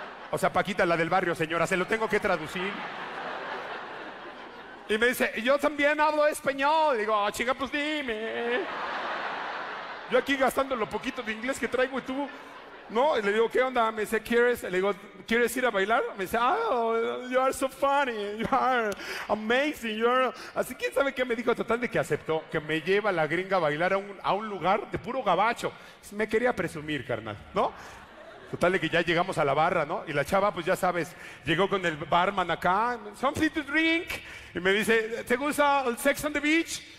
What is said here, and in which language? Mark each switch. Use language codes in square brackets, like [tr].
[es] O sea, Paquita, la del barrio, señora, se lo tengo que traducir. Y me dice, yo también hablo español. Le digo, oh, chinga, pues dime. Yo aquí gastando lo poquito de inglés que traigo y tú... No, y le digo, ¿qué onda? Me dice, ¿quieres? Le digo, ¿quieres ir a bailar? Me dice, [en] oh, you are so funny, you are amazing, you are... [es] Así, ¿quién sabe qué me dijo? Total, de que aceptó, que me lleva la gringa a bailar a un lugar de puro gabacho. Me quería presumir, carnal, ¿no? Total, de que ya llegamos a la barra, ¿no? Y la chava, pues ya sabes, llegó con el barman acá, [en] something to drink, [es] y me dice, ¿te gusta el Sex on the Beach?